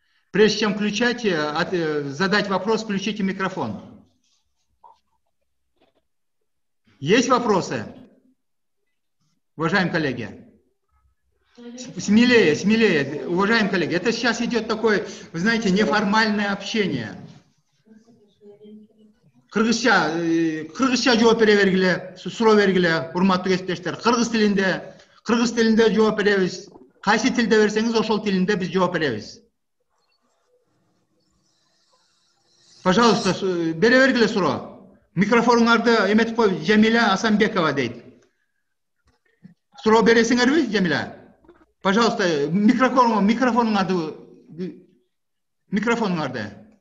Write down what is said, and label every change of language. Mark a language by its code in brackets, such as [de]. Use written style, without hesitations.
[ru] Прежде чем включать, задать вопрос, включите микрофон. Есть вопросы? Уважаемые коллеги. Смелее. Уважаемые коллеги, это сейчас идет такое, вы знаете, неформальное общение. [ky] Кыргызча жооп бергиле, суроо бергиле, урматтуу кесиптештер. Кыргыз тилинде жооп беребиз. Кайсы тилде берсеңиз, ошол тилинде биз жооп беребиз. Пожалуйста, бере бергиле суроо. Микрофонуңарды эметип коюп, Жамиля Асанбекова дейт. Суроо бересиңерби, Жамиля? Пожалуйста, микрофонуңарды.